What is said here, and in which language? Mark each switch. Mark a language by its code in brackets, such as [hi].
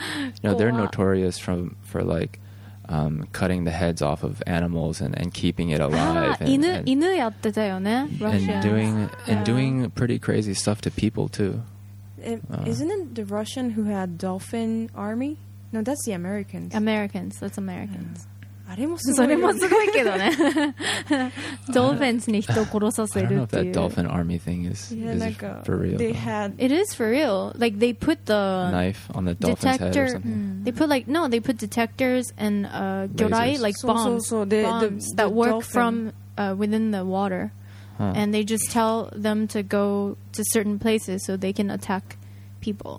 [en] You know, they're notorious for like cutting the heads off of animals and keeping it alive. And doing pretty crazy stuff to people too. Isn't it the Russian who had dolphin army? No, that's the Americans. Americans. That's Americans. [ja] あれもすごい、それもすごいけどね。ドルフィンズに人を殺させるっていう。 [en] I don't know if that dolphin army thing is, yeah, is for real. They had, it is for real. Like they put the knife on the dolphin's detector, head or something. Mm. They put like, no, they put detectors and gyorai, like bombs. So, so, so. The, bombs the that work dolphin. From within the water. Huh. And they just tell them to go to certain places so they can attack people.